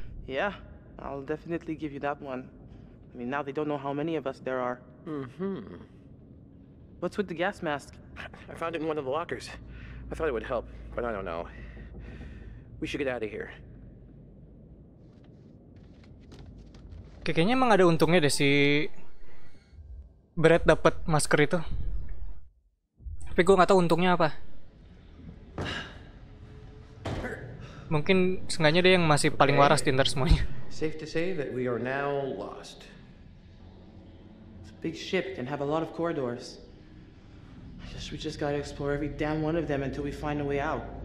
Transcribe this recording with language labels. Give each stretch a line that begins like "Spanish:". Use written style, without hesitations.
English: Yeah, I'll definitely give you that one. I mean, now they don't know how many of us there are. Mm-hmm. What's with the gas mask? I found it in one of the lockers. I thought it would help, but I don't know. We should get out of here.
Indonesian: Kayaknya emang ada untungnya deh si Brett dapat masker itu. Tapi gue gak tahu untungnya apa. Mungkin seenggaknya dia yang masih paling waras di antara semuanya.
English: Safe to say that we are now lost. Big ship can have a lot of corridors. We just gotta explore every damn one of them until we find a way out.